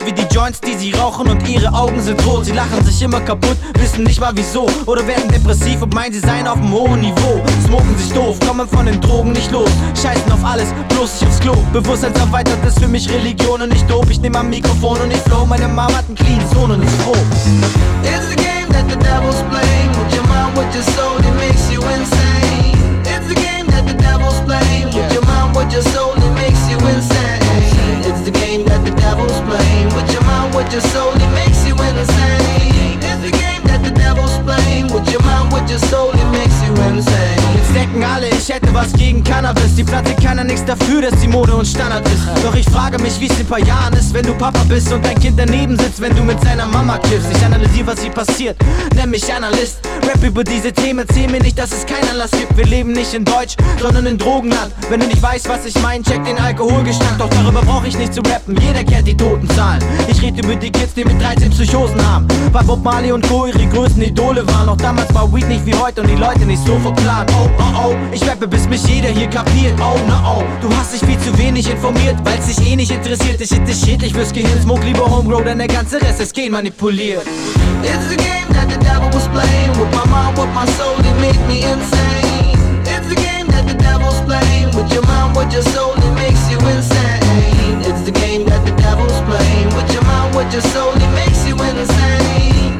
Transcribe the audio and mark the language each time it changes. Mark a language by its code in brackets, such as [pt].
[de] Wie die Joints, die sie rauchen und ihre Augen sind rot. Sie lachen sich immer kaputt, wissen nicht mal wieso. Oder werden depressiv und meinen, sie seien auf einem hohen Niveau. Smoken sich doof, kommen von den Drogen nicht los. Scheißen auf alles, bloß nicht aufs Klo. Bewusstsein erweitert ist für mich Religion und nicht dope. Ich nehm am Mikrofon und ich flow. Meine Mama hat einen clean Sohn und ist froh. [en] It's a game that the devil's playing. With your mind, with your soul, it makes you insane. It's the game that the devil's playing. With your mind, with your soul, it makes you insane. It's the game that the devil's playing. With your mind, with your soul, it makes you insane. It's the game that the devil's playing. With your mind, with your soul, it makes you insane. [de] Denken alle, ich hätte was gegen Cannabis. Die Platte kann ja nichts dafür, dass die Mode und Standard ist. Doch ich frage mich, wie es in ein paar Jahren ist, wenn du Papa bist und dein Kind daneben sitzt, wenn du mit seiner Mama kiffst. Ich analysiere, was hier passiert, nenn mich Analyst. Rap über diese Themen, erzähl mir nicht, dass es keinen Anlass gibt. Wir leben nicht in Deutsch, sondern in Drogenland. Wenn du nicht weißt, was ich mein, check den Alkoholgestank. Doch darüber brauche ich nicht zu rappen, jeder kennt die Totenzahlen. Ich rede über die Kids, die mit 13 Psychosen haben. Weil Bob Marley und Co. ihre größten Idole waren. Auch damals war Weed nicht wie heute und die Leute nicht so verplant. Ich rappe, bis mich jeder hier kapiert. Du hast dich viel zu wenig informiert, weil's dich eh nicht interessiert. Ich hätte schädlich fürs Gehirn. Smoke lieber Homegrown, denn der ganze Rest ist gen manipuliert. [en] It's the game that the devil was playing. With my mind, with my soul, it made me insane. It's the game that the devil's playing. With your mind, with your soul, it makes you insane. It's the game that the devil's playing. With your mind, with your soul, it makes you insane.